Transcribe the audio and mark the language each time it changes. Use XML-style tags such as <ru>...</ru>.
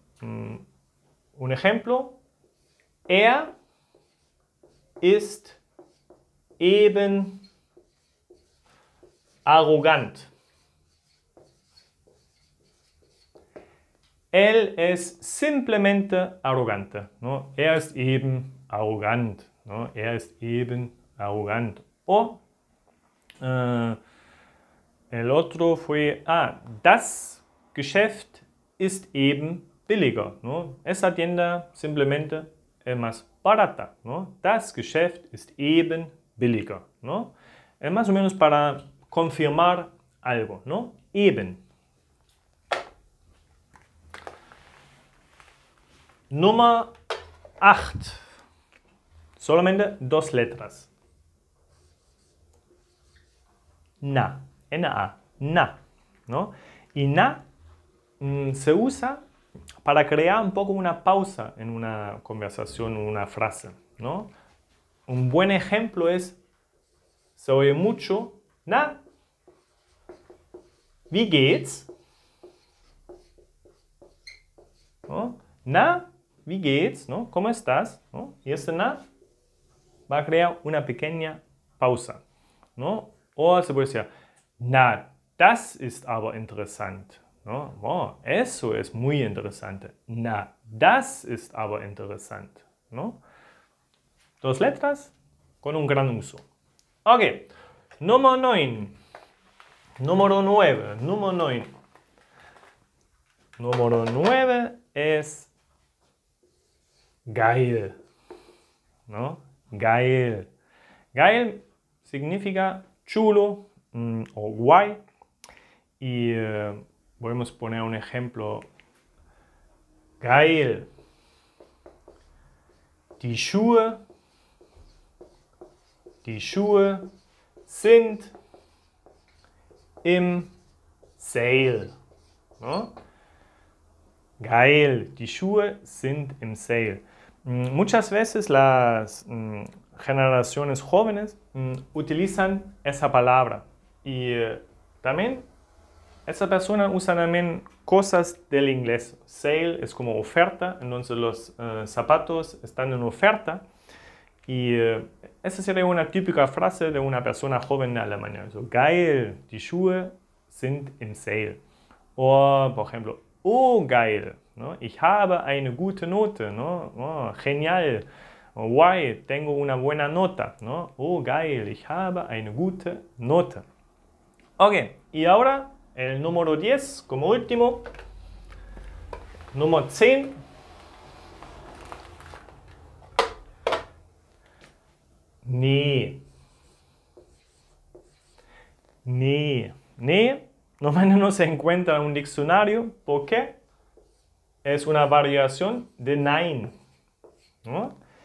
<es>Un ejemplo.</es> <de>Er ist eben arrogant.</de> <es>Él es simplemente arrogante, ¿no?</es> <de>Er ist eben arrogant, ¿no? Er ist eben arrogant.</de> <es>O el otro fue,</es> <de>das Geschäft ist eben billiger, ¿no?</de> <es>Esa tienda simplemente es más barata, ¿no?</es> <de>Das Geschäft ist eben billiger, ¿no?</de> <es>Es más o menos para confirmar algo, ¿no?</es> <de>Eben.</de> <es>Número 8. Solamente 2 letras. Na. N-A. Na. ¿No? Y na se usa para crear un poco una pausa en una conversación, en una frase, ¿no? Un buen ejemplo es, se oye mucho, na.</es> <de>Wie geht's?</de> <es>¿No? Na.</es> <de>Wie geht's?</de> <es>¿No? ¿Cómo estás? ¿No? Y ese na va a crear una pequeña pausa, ¿no? O se puede decir,</es> <de>na, das ist aber interessant,</de> <es>¿no? Wow, eso es muy interesante. Na,</es> <de>Das ist aber interessant.</de> <es>No? Dos letras con un gran uso. Ok,</es> <de>Nummer 9.</de> <es>Número 9 es geil. No? Geil. Geil significa chulo o guay. Y podemos poner un ejemplo.</es> <de>Geil. Die Schuhe sind im Sale. No? Geil, die Schuhe sind im Sale.</de> <es>Muchas veces las generaciones jóvenes utilizan esa palabra. Y también esa persona usa también cosas del inglés. Sale es como oferta, entonces los zapatos están en oferta. Y esa sería una típica frase de una persona joven de Alemania.</es> <de>So, geil, die Schuhe sind im Sale.</de> <es>O, por ejemplo,</es> <de>oh, geil, ¿no? Ich habe eine gute Note, ¿no?</de> <es>Oh, genial, oh, guay, tengo una buena nota, ¿no?</es> <de>Oh, geil, ich habe eine gute Note.</de> <es>Ok, y ahora el número 10 como último. Número 10. Nee. Nee, normalmente no se encuentra en un diccionario porque es una variación de nein. ¿No?</es>